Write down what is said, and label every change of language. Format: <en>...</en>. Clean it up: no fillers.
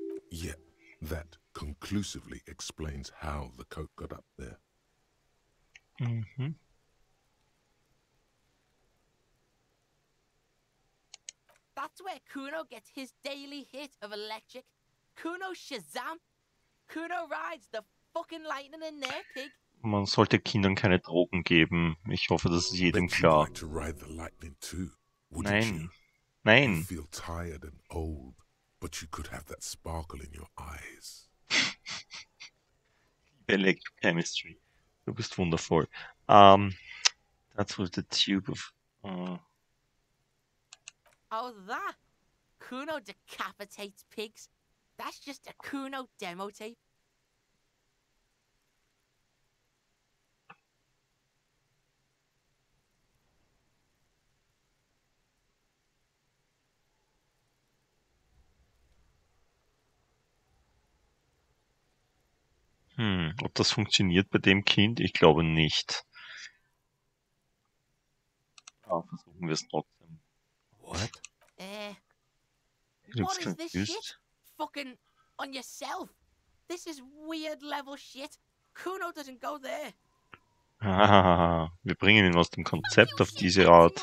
<en>Yeah, that conclusively explains how the coat got up there. Mm-hmm. That's where Kuno gets his daily hit of electric. Kuno Shazam. Kuno rides the fucking lightning in there, pig.</en> <de>Man sollte Kindern keine Drogen geben. Ich hoffe, das ist jedem klar.</de> <en>Like to ride the lightning too, wouldn't you?</en> <de>Nein.</de> <en>You feel tired and old, but you could have that sparkle in your eyes. Electrochemistry.</en> <de>Du bist wundervoll.</de> <en>That's with the tube of... Oh, that. Kuno decapitates pigs. That's just a Kuno demo tape.</en> <de>Ob das funktioniert bei dem Kind? Ich glaube nicht. Ja, versuchen wir es trotzdem.</de> <en>What? What is this shit? Fucking on yourself. This is weird level shit. Kuno doesn't go there.</en> <de>Wir bringen ihn aus dem Konzept auf diese Art.</de>